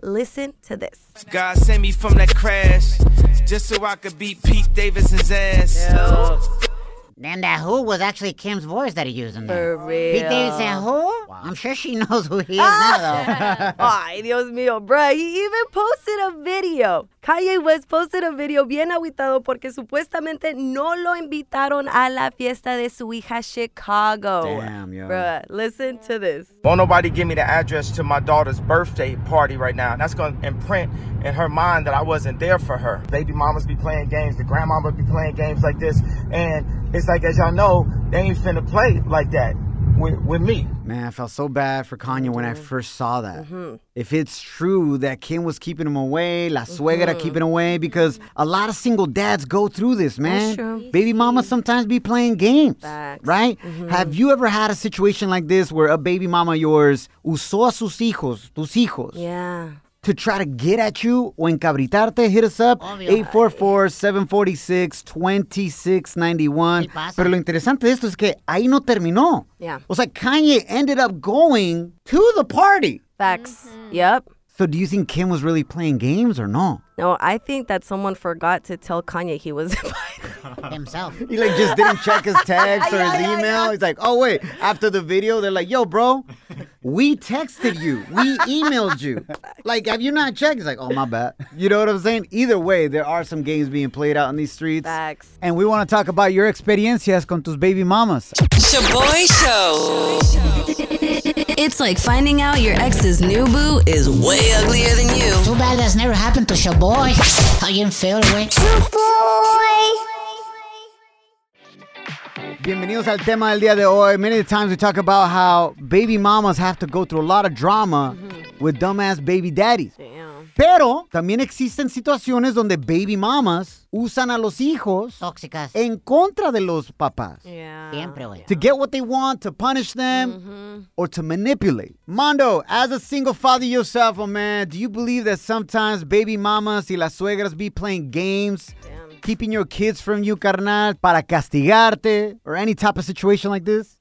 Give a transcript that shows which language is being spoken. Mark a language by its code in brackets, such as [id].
[en] Listen to this. God sent me from that crash just so I could beat Pete Davidson's ass. Then that who was actually Kim's voice that he used in there. For real. Pete Davidson who? Wow. I'm sure she knows who he is now, though. [es] Ay, Dios mío, [en] bruh. He even posted a video. Kanye West posted a video [es] bien agüitado porque supuestamente no lo invitaron a la fiesta de su hija Chicago. [en] Damn, yo. Bruh, listen to this. Won't nobody give me the address to my daughter's birthday party right now. That's going to imprint in her mind that I wasn't there for her. Baby mamas be playing games. The grandmama be playing games like this. And it's like, as y'all know, they ain't finna play like that with me. Man, I felt so bad for Kanye when I first saw that. If it's true that Kim was keeping him away, [es] la suegra [en] keeping away, because a lot of single dads go through this, man. That's true. Baby mama sometimes be playing games, right? Mm-hmm. Have you ever had a situation like this where a baby mama of yours [es] usó a sus hijos, tus hijos? [en] Yeah. To try to get at you [es] o encabritarte, [en] hit us up, 844-746-2691. [es] Pero lo interesante de esto es que ahí no terminó. [en] Yeah. [es] O sea, [en] Kanye ended up going to the party. Facts. Yep. So do you think Kim was really playing games or no? No, I think that someone forgot to tell Kanye he was himself. He like just didn't check his text or his email. Yeah. He's like, oh wait, after the video, they're like, yo, bro, we texted you. We emailed you. Like, have you not checked? He's like, oh, my bad. You know what I'm saying? Either way, there are some games being played out in these streets. Facts. And we want to talk about your [es] experiencias con tus [en] baby mamas. Shaboy Show. It's like finding out your ex's new boo is way uglier than you. Too bad that's never happened to Shaboy. How you feel, right? Shaboy! [es] Bienvenidos al tema del día de hoy. [en] Many times we talk about how baby mamas have to go through a lot of drama with dumbass baby daddies. Damn. [es] Pero también existen situaciones donde baby mamas usan a los hijos tóxicas en contra de los papás. [en] Yeah. [es] Siempre, güey. [en] To get what they want, to punish them, or to manipulate. Mondo, as a single father yourself, oh man, do you believe that sometimes baby mamas [es] y las suegras [en] be playing games? Damn. Keeping your kids from you, carnal, [es] para castigarte, [en] or any type of situation like this?